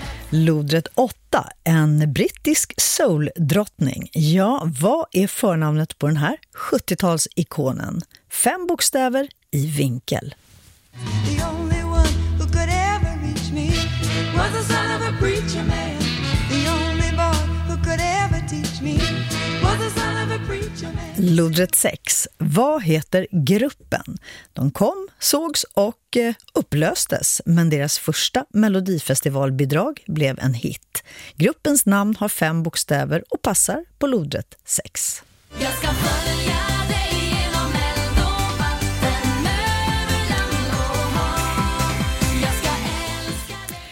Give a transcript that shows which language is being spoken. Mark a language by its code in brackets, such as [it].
[sv] Lodrätt 8, en brittisk souldrottning. Ja, vad är förnamnet på den här 70-talsikonen? 5 bokstäver i vinkel. [en] The only one who could ever reach me was the son of a preacher man. The only boy who could ever teach me was the son of a preacher man. [sv] Lodrätt 6, vad heter gruppen? De kom, sågs och upplöstes, men deras första melodifestivalbidrag blev en hit. Gruppens namn har 5 bokstäver och passar på lodrätt 6. Jag ska följa dig genom eld och vatten, över land och hav.